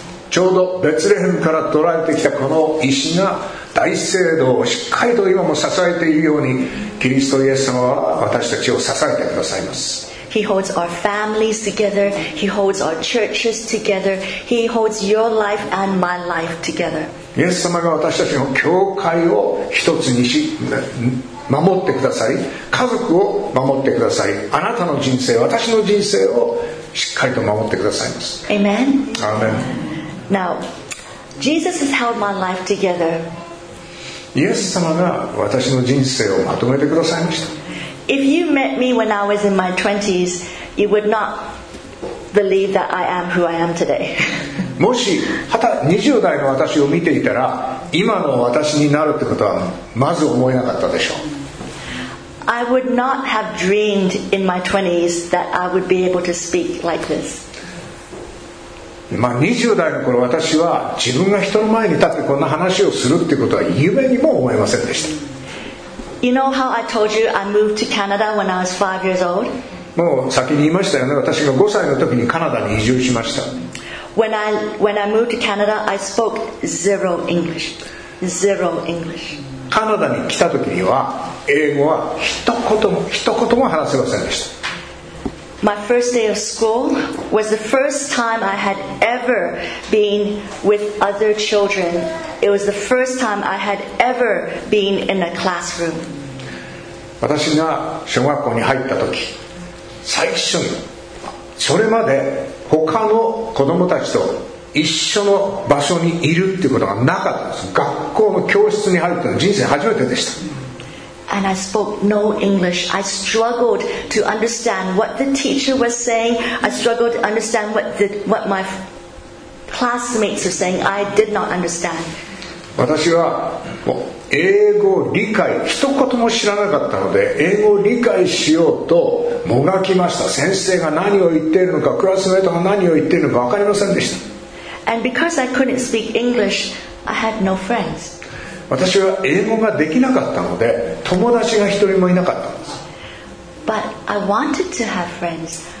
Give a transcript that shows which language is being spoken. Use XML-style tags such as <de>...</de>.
<ja>ちょうどベツレヘムから取られてきたこの石が大聖堂をしっかりと今も支えているように、キリストイエス様は私たちを支えてくださいます。</ja> <en>He holds our families together. He holds our churches together. He holds your life and my life together.</en> <ja>イエス様が私たちの教会を一つにし、守ってください、家族を守ってください、あなたの人生、私の人生をしっかりと守ってくださいます。</ja> <en>Amen. Amen. Now, Jesus has held my life together.</en> <ja>イエス様が私の人生をまとめてくださいました。</ja> <en>If you met me when I was in my 20s, you would not believe that I am who I am today.</en> <ja>もし20代の私を見ていたら、今の私になるってことはまず思えなかったでしょう。</ja> <en>I would not have dreamed in my 20s that I would be able to speak like this.</en> <ja>まあ20代の頃、私は自分が人の前に立ってこんな話をするってことは夢にも思えませんでした。</ja> <en>You know how I told you I moved to Canada when I was 5 years old?</en> <ja>もう先に言いましたよね。私が5歳の時にカナダに移住しました。</ja> <en>When I moved to Canada, I spoke zero English. Zero English.</en> <ja>カナダに来た時には英語は一言も話せませんでした。</ja> <en>My first day of school was the first time I had ever been with other children. It was the first time I had ever been in a classroom.</en> <ja>私が小学校に入った時、最初にそれまで他の子供たちと一緒の場所にいるっていうことがなかったんです。学校の教室に入るっていうのは人生初めてでした。</ja> <en>And I spoke no English. I struggled to understand what the teacher was saying. I struggled to understand what my classmates were saying. I did not understand.</en> <ja>私はもう英語を理解、一言も知らなかったので、英語を理解しようともがきました。先生が何を言っているのか、クラスメートが何を言っているのか分かりませんでした。</ja> <en>And because I couldn't speak English, I had no friends.</en> <ja>私は英語ができなかったので、友達が一人もいなかったんです。</ja> <en>But I wanted to have friends.</en>